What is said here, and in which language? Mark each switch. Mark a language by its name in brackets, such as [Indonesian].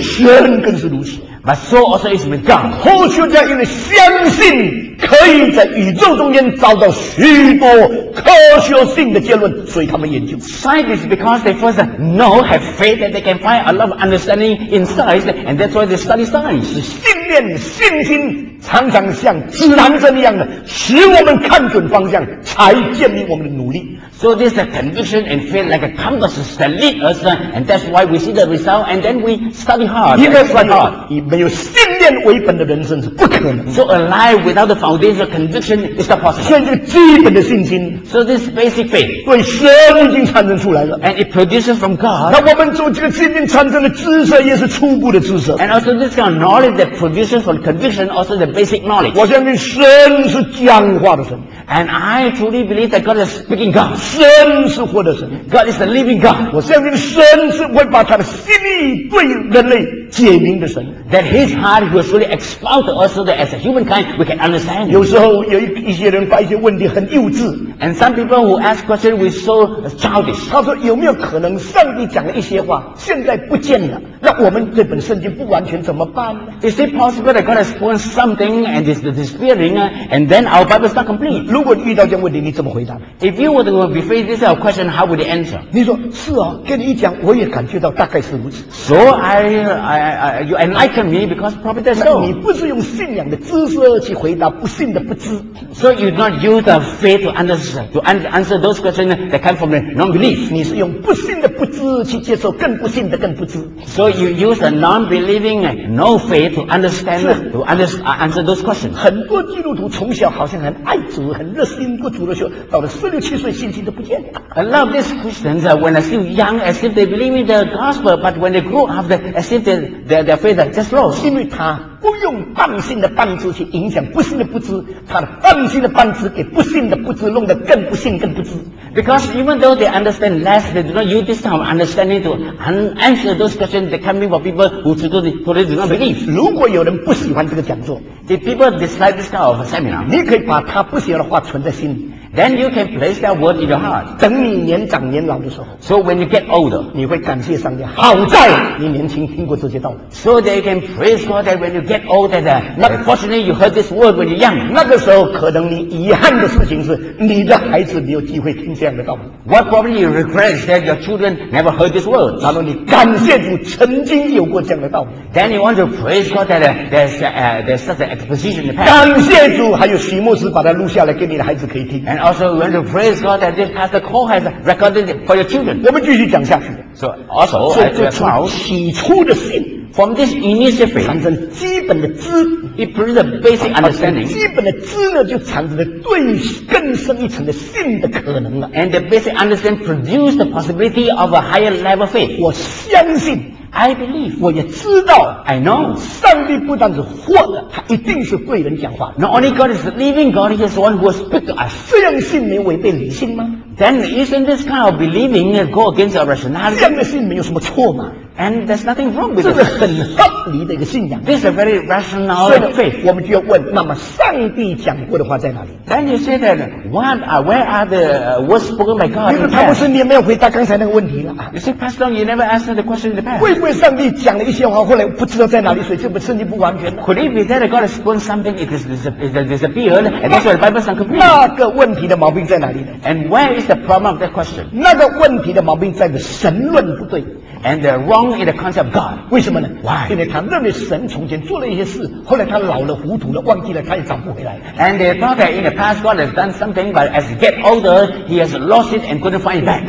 [Chinese] 神更是如此。 [English] But so also is with God. [Chinese] 后续这样因为相信可以在宇宙中间找到许多科学性的结论，所以他们研究。 [English] Scientists, because they first know, have faith that they can find a lot of understanding in science, and that's why they study science. [Chinese] 是信念、信心常常像指南针一样的，使我们看准方向，才建立我们的努力。 [English] So this is a condition and feel like a compass that lead us, and that's why we see the result, and then we study hard. [Chinese] 因为没有信念为本的人生是不可能。 [English] So a life without the foundation of conviction is not possible. [Chinese] 所以这个基本的信心。 [English] So this basic faith. [Chinese] 对神已经产生出来了。 [English] And it produces from God. [Chinese] 那我们做这个信念产生的知识也是初步的知识。 [English] And also this kind of knowledge that produces from conviction also the basic knowledge. [Chinese] 我相信神是讲话的神。 [English] And I truly believe that God is speaking God. [Chinese] 神是活的神。 [English] God is the living God. [Chinese] 我相信神是会把他的心意对人类解明的神。 [English] That his heart will truly expound to us so that as a humankind we can understand. [Chinese] 有时候有一些人发一些问题很幼稚。 [English] And some people who ask questions with so childish. [Chinese] 他说有没有可能上帝讲了一些话现在不见了，那我们这本圣经不完全怎么办呢？ [English] Is it possible that God has spoken something and is disappearing and then our Bible is not complete? [Chinese] 如果遇到这样问题你怎么回答？ [English] If you were to be faced this question, how would you answer? [Chinese] 你说是啊，跟你一讲我也感觉到大概是如此。 [English] So you enlighten me because probably that's so. [Chinese] 你不是用信仰的知识去回答不信的不知。 [English] So you do not use the faith to answer those questions that come from the non-belief. [Chinese] 你是用不信的不知去接受更不信的更不知。 [English] SoYou use a non-believing, no faith to understand, answer those questions. [Chinese] 很多基督徒从小好像很爱主，很热心过主的时候，到了十六七岁，信心都不见了。 [English] A lot of these Christians, when they're still young, as if they believe in the gospel, but when they grow up, as if their faith is just lost. [Chinese] 因为他不用半信的半知去影响不信的不知，他的半信的半知给不信的不知弄得更不信更不知。 [English] Because even though they understand less, they do not use this time understanding to answer those questions that come in for people who truly do not believe. [Chinese] 如果有人不喜欢这个讲座， [English] if people dislike this kind of seminar, [Chinese] 你可以把他不喜欢的话存在心里。 [English] Then you can place that word in your heart. [Chinese] 等你年长年老的时候， [English] so when you get older, [Chinese] 你会感谢上帝，好在你年轻听过这些道理。 [English] So that you can praise God that when you get older, fortunately you heard this word when you're young. [Chinese] 那个时候可能你遗憾的事情是你的孩子没有机会听这样的道理。 [English] What probably you regret that your children never heard this word. [Chinese] 然后你感谢主曾经有过这样的道理。 [English] Then you want to praise God that there's such an exposition in the past. [Chinese] 感谢主，还有徐牧师把它录下来给你的孩子可以听。 [English] And also, we want to praise God that this Pastor Cole has recorded it for your children. [Chinese] 我们继续讲下去。 [English] So, also, so, [Chinese] 从起初的信。 [English] From this initiative, [Chinese] 产生基本的知 [English] ，it brings a basic understanding。 [Chinese] 基本的知呢，就产生了对更深一层的信的可能了。 [English] And the basic understanding produces the possibility of a higher level faith。 [Chinese] 我相信 [English] ，I believe。 [Chinese] 我也知道 [English] ，I know。 [Chinese] 上帝不但是活的，他一定是对人讲话。 [English] Not only God is living, God is one who speaks to us。 [Chinese] 这样信没违背理性吗 [English] ？Then isn't this kind of believing go against our rationality？ [Chinese] 这样的信没有什么错吗？ [English] And there's nothing wrong with it. [Chinese] 这是很合理的一个信仰。 [English] This is a very rational faith. [Chinese] 我们就要问，那么上帝讲过的话在哪里？ [English] Then you say that, where are the words spoken by God? [Chinese] 你说他不是，你也没有回答刚才那个问题了。 [English] You say, Pastor Long, you never asked the question in the past. [Chinese] 会不会上帝讲了一些话，后来不知道在哪里，所以这本圣经不完全？ [English] Could it be that God has spoken something, it is disappeared, and that's why the Bible is incomplete? [Chinese] 那个问题的毛病在哪里呢？ [English] And where is the problem of that question? [Chinese] 那个问题的毛病在于神论不对。 [English] And they're wrong in the concept of God. [Chinese] 为什么呢？ [English] Why? [Chinese] 因为他认为神从前做了一些事，后来他老了糊涂了，忘记了，他也找不回来。 [English] And they thought that in the past God has done something, but as he get older, he has lost it and couldn't find it back.